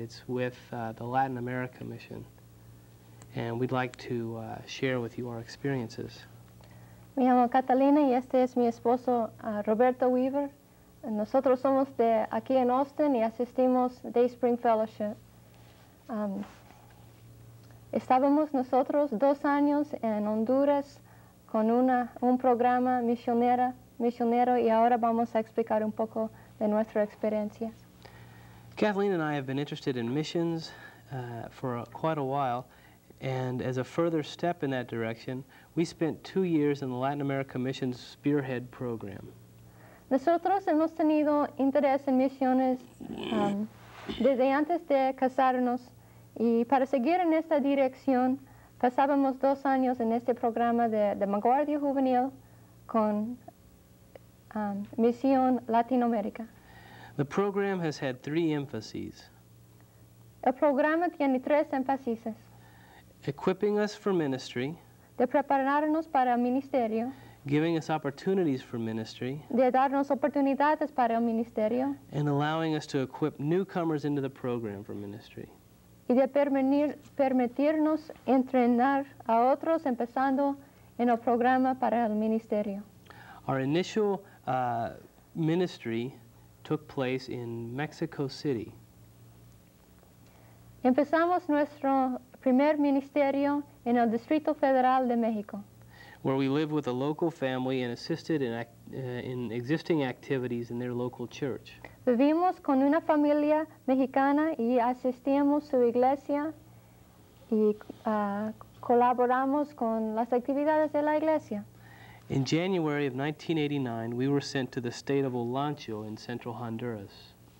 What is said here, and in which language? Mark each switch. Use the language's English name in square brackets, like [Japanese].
[English] It's with the Latin America mission. And we'd like to share with you our experiences. [Spanish] Me llamo Catalina y este es mi esposo, Roberto Weaver. Nosotros somos de aquí en Austin y asistimos Day Spring Fellowship. Estábamos nosotros 2 años en Honduras con un programa misionero y ahora vamos a explicar un poco de nuestra experiencia. [English] Kathleen and I have been interested in missions quite a while, and as a further step in that direction, we spent 2 years in the Latin America Missions Spearhead program. [Spanish] Nosotros hemos tenido interés en misiones desde antes de casarnos. Y para seguir en esta dirección, pasábamos 2 años en este programa de vanguardia juvenil con Misión Latinoamérica. [English] The program has had 3 emphases. [Spanish] El programa tiene 3 énfasis. [English] Equipping us for ministry. [Spanish] De prepararnos para el ministerio. [English] Giving us opportunities for ministry. [Spanish] De darnos oportunidades para el ministerio. [English] And allowing us to equip newcomers into the program for ministry. [Spanish] Y de permitirnos entrenar a otros empezando en el programa para el ministerio. [English] Our initial ministry took place in Mexico City. [Spanish] Empezamos nuestro primer ministerio en el Distrito Federal de México. [English] Where we lived with a local family and assisted in existing activities in their local church. [Spanish] Vivimos con una familia mexicana y asistimos su iglesia y colaboramos con las actividades de la iglesia. [English] In January of 1989, we were sent to the state of Olancho in central Honduras.